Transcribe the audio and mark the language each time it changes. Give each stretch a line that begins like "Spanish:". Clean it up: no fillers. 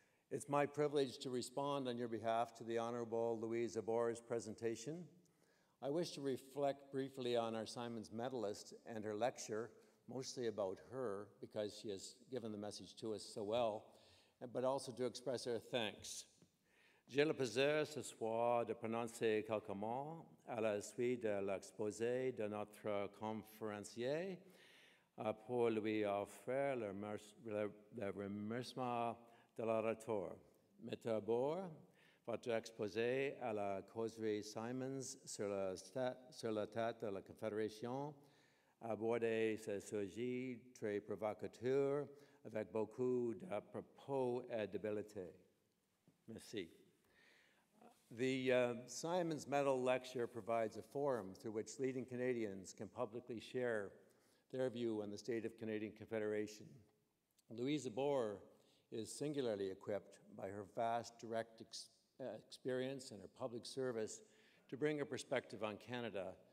English: It's my privilege to respond on your behalf to the Honorable Louise Arbour's presentation. I wish to reflect briefly on our Symons Medallist and her lecture, mostly about her, because she has given the message to us so well, but also to express her thanks.
French: J'ai le plaisir ce soir de prononcer quelques mots à la suite de l'exposé de notre conférencier pour lui offrir le remerciement de l'orateur. Mette Arbour, votre exposé à la causerie Symons sur la tête de la Confédération abordait ce sujet très provocateur avec beaucoup de propos et d'habileté. Merci.
English: The Symons Medal Lecture provides a forum through which leading Canadians can publicly share their view on the state of Canadian Confederation. Louise Arbour is singularly equipped by her vast direct experience and her public service to bring a perspective on Canada